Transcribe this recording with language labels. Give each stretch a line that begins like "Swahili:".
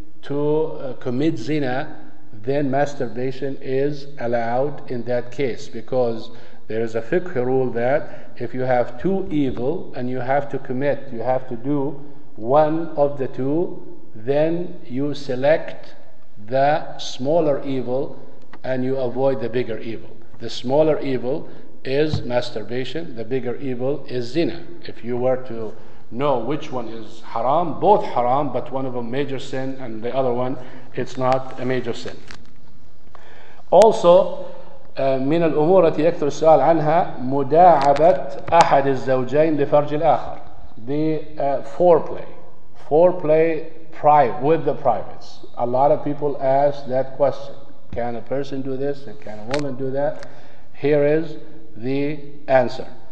English: to commit zina, then masturbation is allowed in that case, because there is a fiqh rule that if you have two evil and you have to commit, you have to do one of the two, then you select the smaller evil and you avoid the bigger evil. The smaller evil is masturbation, the bigger evil is zina. If you were to know which one is haram, both haram, but one of them major sin and the other one, it's not a major sin. Also,
Arabic: من الأمور التي يكثر السؤال عنها مداعبة أحد الزوجين لفرج الآخر.
English: The foreplay private with the privates. A lot of people ask that question. Can a person do this and can a woman do that? Here is the answer.